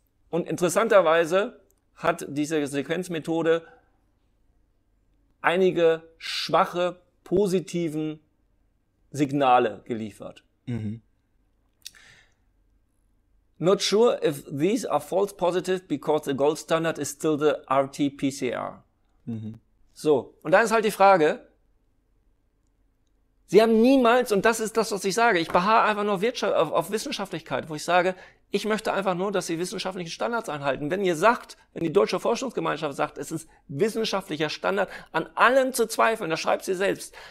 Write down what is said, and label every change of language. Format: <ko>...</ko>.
<de>Und interessanterweise hat diese Sequenzmethode einige schwache, positiven Signale geliefert. Mhm.</de> <en>Not sure if these are false positive because the gold standard is still the RT-PCR. Mhm.</en> <de>So, und dann ist halt die Frage... Sie haben niemals, und das ist das, was ich sage, ich beharre einfach nur auf Wissenschaftlichkeit, wo ich sage, ich möchte einfach nur, dass Sie wissenschaftlichen Standards einhalten. Wenn ihr sagt, wenn die deutsche Forschungsgemeinschaft sagt, es ist wissenschaftlicher Standard, an allem zu zweifeln, das schreibt sie selbst.</de>